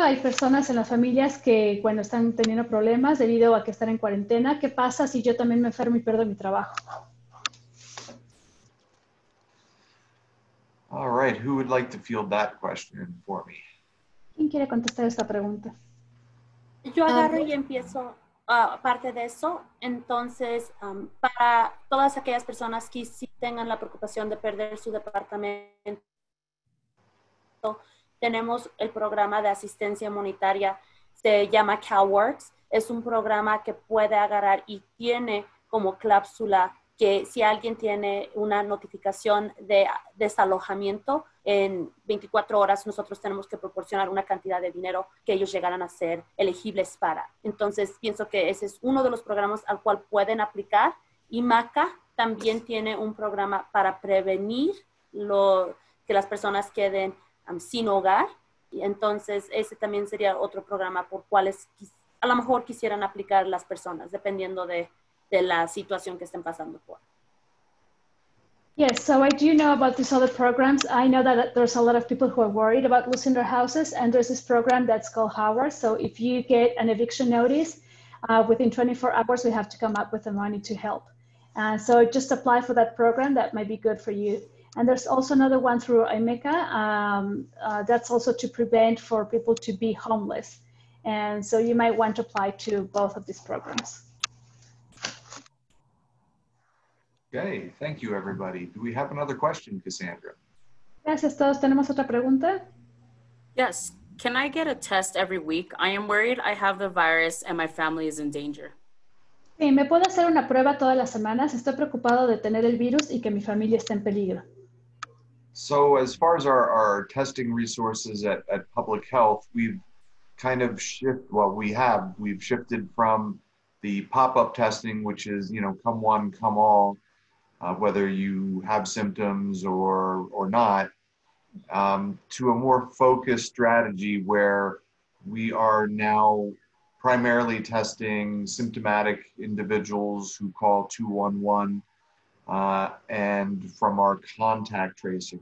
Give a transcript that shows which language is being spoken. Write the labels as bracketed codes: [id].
[es] Hay personas en las familias que cuando están teniendo problemas debido a que están en cuarentena, ¿qué pasa si yo también me enfermo y pierdo mi trabajo? [en] All right, who would like to field that question for me? [es] ¿Quién quiere contestar esta pregunta? Yo agarro y empiezo. aparte de eso, entonces, para todas aquellas personas que sí tengan la preocupación de perder su departamento, tenemos el programa de asistencia monetaria, se llama CalWORKS. Es un programa que puede agarrar y tiene como cláusula que si alguien tiene una notificación de desalojamiento en 24 horas, nosotros tenemos que proporcionar una cantidad de dinero que ellos llegaran a ser elegibles para. Entonces, pienso que ese es uno de los programas al cual pueden aplicar. Y MACA también tiene un programa para prevenir lo, que las personas queden sin hogar. Y entonces, ese también sería otro programa por cuales a lo mejor quisieran aplicar las personas, dependiendo de la situación que estén pasando por. [en] Yes, so I do know about these other programs. I know that there's a lot of people who are worried about losing their houses, and there's this program that's called HOWARD. So if you get an eviction notice, within 24 hours, we have to come up with the money to help. And so just apply for that program, that might be good for you. And there's also another one through IMECA. That's also to prevent for people to be homeless. And so you might want to apply to both of these programs. Okay, thank you, everybody. Do we have another question, Cassandra? [es] Gracias a todos. ¿Tenemos otra pregunta? [en] Yes. Can I get a test every week? I am worried I have the virus and my family is in danger. [es] Sí, me puedo hacer una prueba todas las semanas. Estoy preocupado de tener el virus y que mi familia esté en peligro. [en] So as far as our testing resources at Public Health, we've kind of shifted, well, we've shifted from the pop-up testing, which is, you know, come one, come all. Whether you have symptoms or not, to a more focused strategy where we are now primarily testing symptomatic individuals who call 211 and from our contact tracing.